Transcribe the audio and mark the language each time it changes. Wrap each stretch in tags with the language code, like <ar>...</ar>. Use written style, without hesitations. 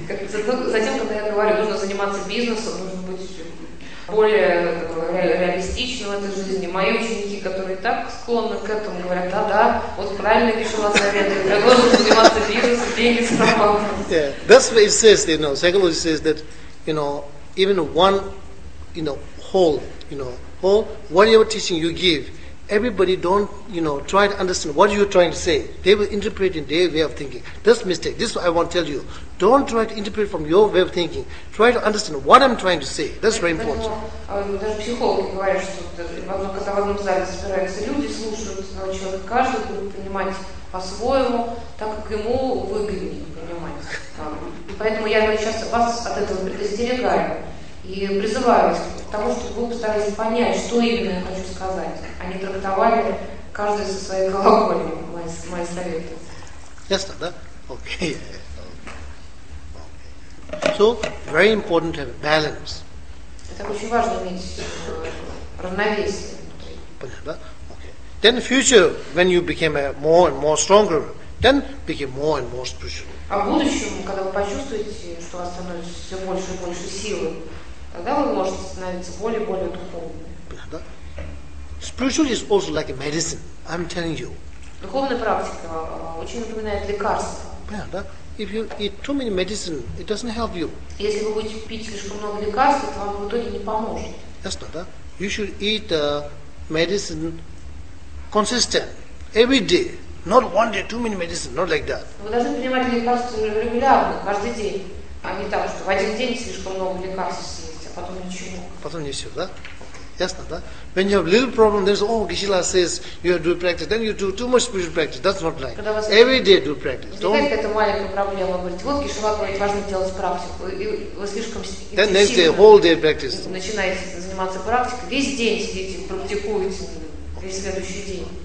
<ru>Затем, когда я говорю, нужно заниматься бизнесом, нужно быть более реалистичным в этой жизни. Мои ученики, которые так склонны к этому, говорят, да, вот правильно пишу вас советы, я должен заниматься бизнесом, деньги с работы.</ru> <en>Yeah, that's what it says, you know, psychology says that, you know, even one, you know, whole, you know, or whatever teaching you give, everybody don't, you know, try to understand what you're trying to say. They will interpret in their way of thinking. That's a mistake. This is what I want to tell you. Don't try to interpret from your way of thinking. Try to understand what I'm trying to say. That's very important.</en> <ru>Даже психологи говорят, что когда в одном зале собираются люди, слушают одного человека, каждый будет понимать по-своему, так как ему выгоднее понимать. Поэтому я сейчас вас от этого предостерегаю. И призываю вас к тому, чтобы вы постарались понять, что именно я хочу сказать. Они трактовали каждый со своей колокольни мои советы. Ясно, да? Окей.</ru> <en>So, very important to have balance.</en> <ru>Это очень важно иметь равновесие внутри. Понятно, да? Окей.</ru> <en>Then the future, when you became more and more stronger, then became more and more spiritual.</en> <ru>А в будущем, когда вы почувствуете, что у вас становится все больше и больше силы, тогда вы можете становиться более духовными.</ru> <en>Spiritual is also like a medicine, I'm telling you.</en> <ru>Духовная практика очень напоминает лекарство. Понятно, да?</ru> <en>If you eat too many medicine, it doesn't help you.</en> <ru>Если вы будете пить слишком много лекарств, это вам в итоге не поможет. Ясно, да?</ru> <en>You should eat medicine consistent, every day. Not one day, too many medicine, not like that.</en> <ru>Вы должны принимать лекарства регулярно, каждый день. А не так, что в один день слишком много лекарств. Потом ничего. Потом ничего, да? Ясно, да?</ru> <en>When you have little problem, there's Кришна says you have to do practice, then you do too much spiritual practice. That's not like. Every day do practice.</en> <ru>Когда возникает какая-то маленькая проблема, говорит, вот Кришна говорит, важно делать практику, и вы слишком интенсивно.</ru> <en>Then next day, whole day practice.</en> <ru>Начинаете заниматься практикой, весь день сидите, практикуете, весь следующий день.</ru>